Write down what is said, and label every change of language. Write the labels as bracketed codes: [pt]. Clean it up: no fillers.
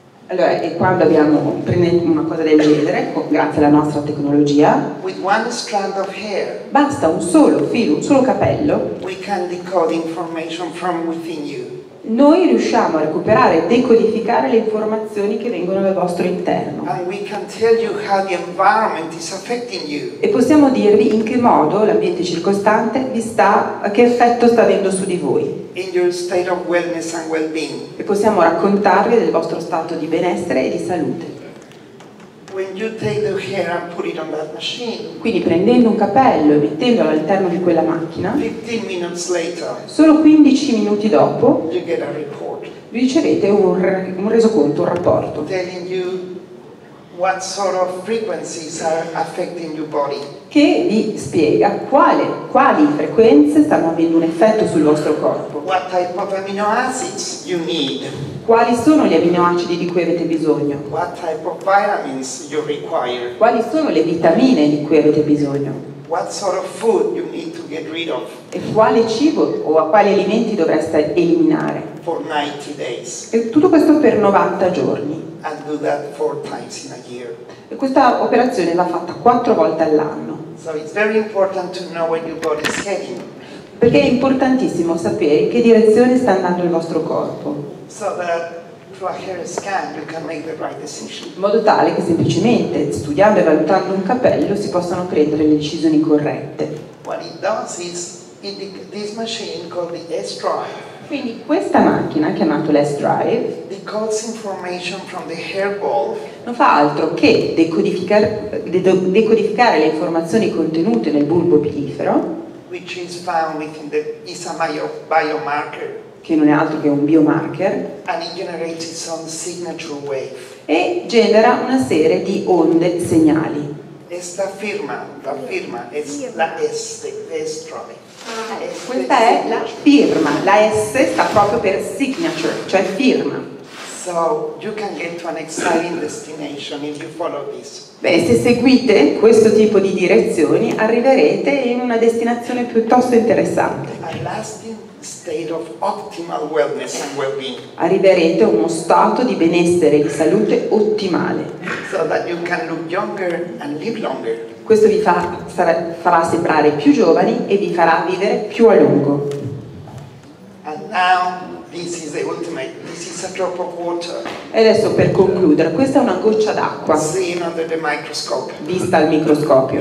[it] Allora, e quando abbiamo prendendo una cosa del genere, grazie alla nostra tecnologia, [en] with one strand of hair, [it] basta un solo filo, un solo capello, [en] we can decode information from within you. [it] noi riusciamo a recuperare e decodificare le informazioni che vengono dal vostro interno. [en] And we can tell you how the environment is affecting you. [it] E possiamo dirvi in che modo l'ambiente circostante vi sta, che effetto sta avendo su di voi. [en] In your state of wellness and well-being. [it] E possiamo raccontarvi del vostro stato di benessere e di salute. [en] When you take the hair and put it on that machine, [it] quindi prendendo un capello e mettendolo all'interno di quella macchina, [en] 15 minutes later, [it] solo 15 minuti dopo, [en] you get a report, [it] ricevete un resoconto, un rapporto, [en] telling you what sort of frequencies are affecting your body, [it] che vi spiega quali frequenze stanno avendo un effetto sul vostro corpo, [en] what type of amino acids you need, [it] quali sono gli aminoacidi di cui avete bisogno, [en] what type of vitamins you require, [it] quali sono le vitamine di cui avete bisogno, [en] what sort of food you need to get rid of, [it] e quale cibo o a quali alimenti dovreste eliminare [en] for 90 days, [it] e tutto questo per 90 giorni. [en] And do that four times in a year. [it] E questa operazione va fatta 4 volte all'anno. [en] So it's very important to know where your body is heading. [it] Perché è importantissimo sapere in che direzione sta andando il vostro corpo. [en] So that through a hair scan you can make the right decision. [it] In modo tale che semplicemente studiando e valutando un capello si possano prendere le decisioni corrette. [en] What it does is in this machine called the S-Drive. [it] Quindi questa macchina, chiamata S-Drive, [en] decodes information from the hair ball, [it] non fa altro che decodificare le informazioni contenute nel bulbo pilifero, [en] which is found within the Isamayo biomarker, [it] che non è altro che un biomarker, [en] and it generates its own signature wave, [it] e genera una serie di onde segnali. [es] Esta firma, la firma, es la S, [en] the S-Drive. [it] Questa è la firma, la S sta proprio per signature, cioè firma. [en] So you can get to an exciting destination if you follow this. [it] Beh, se seguite questo tipo di direzioni arriverete in una destinazione piuttosto interessante. [en] A lasting state of optimal wellness and well-being. [it] Arriverete a uno stato di benessere e di salute ottimale. [en] So that you can look younger and live longer. [it] Questo vi farà sembrare più giovani e vi farà vivere più a lungo. [en] And now, this is the ultimate. This is a drop of water. [it] E adesso per concludere, questa è una goccia d'acqua. [en] Seen under the microscope. [it] Vista al microscopio.